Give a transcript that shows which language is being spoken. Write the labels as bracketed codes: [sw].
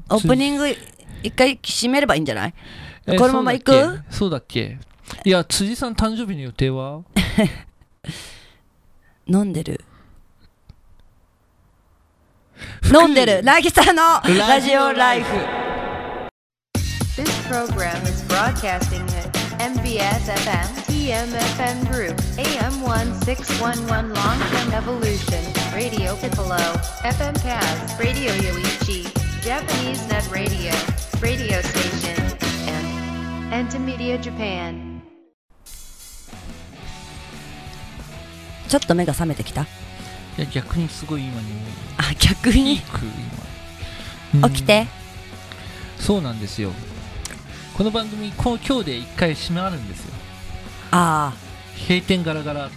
[ja] オープニング一回締めればいいんじゃない、このまま行く。そうだっけ。いや辻さん誕生日の予定は飲んでる飲んでる、なぎさのラジオライフ。 [en] This program is broadcasting at MBS FM, PM FM Group, AM 1611 Long Term Evolution, Radio Piccolo, FM Kaz, Radio Yoichi, Japanese Net Radio, Radio Station, and Entimedia Japan. [ja] ちょっと目が覚めてきた。いや逆にすごい今に。あ逆に。今起きて。そうなんですよ。この番組今日で一回閉まるんですよ。ああ閉店ガラガラ、